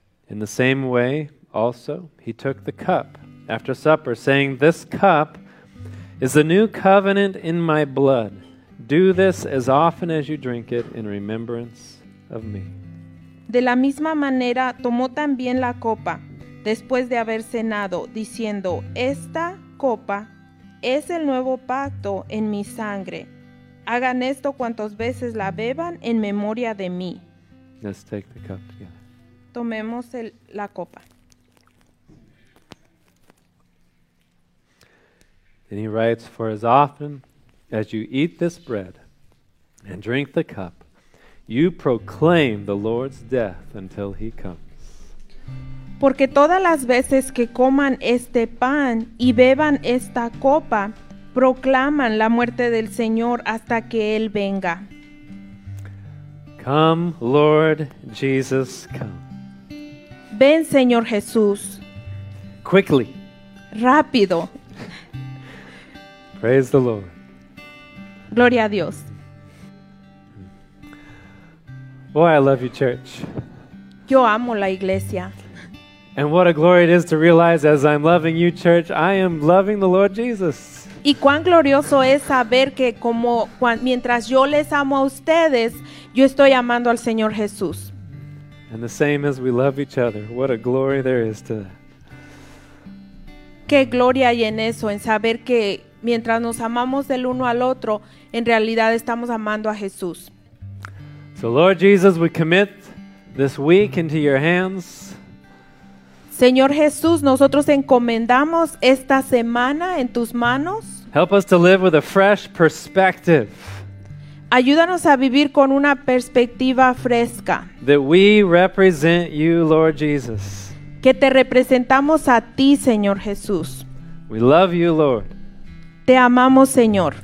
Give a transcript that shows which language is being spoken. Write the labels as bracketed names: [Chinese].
[English] In the same way, also, he took the cup after supper, saying, "This cup is the new covenant in my blood. Do this as often as you drink it in remembrance of me." [Spanish] De la misma manera, tomó también la copa después de haber cenado, diciendo, "Esta copa es el nuevo pacto en mi sangre. Hagan esto cuantas veces la beban en memoria de mí. [English] Let's take the cup together. [Spanish] Tomemos la copa. [English] And he writes, for as often as you eat this bread and drink the cup, you proclaim the Lord's death until he comes. [Spanish] Porque todas las veces que coman este pan y beban esta copa, proclaman la muerte del Señor hasta que Él venga. [English] Come, Lord Jesus, come. [Spanish] Ven, Señor Jesús. [English] Quickly. [Spanish] Rápido. [English] Praise the Lord. [Spanish] Gloria a Dios. [English] Boy, I love you, church. [Spanish] Yo amo la iglesia. [English] And what a glory it is to realize as I'm loving you, church, I am loving the Lord Jesus. [Spanish] Y cuán glorioso es saber que como mientras yo les amo a ustedes, yo estoy amando al Señor Jesús. [English] And the same as we love each other, what a glory there is to that. [Spanish] Qué gloria hay en eso, en saber que mientras nos amamos del uno al otro, en realidad estamos amando a Jesús. [English] So Lord Jesus, we commit this week into your hands. [Spanish] Señor Jesús, nosotros encomendamos esta semana en tus manos. [English] Help us to live with a fresh perspective. [Spanish] Ayúdanos a vivir con una perspectiva fresca. [English] That we represent you, Lord Jesus. [Spanish] Que te representamos a ti, Señor Jesús. [English] We love you, Lord. [Spanish] Te amamos, Señor.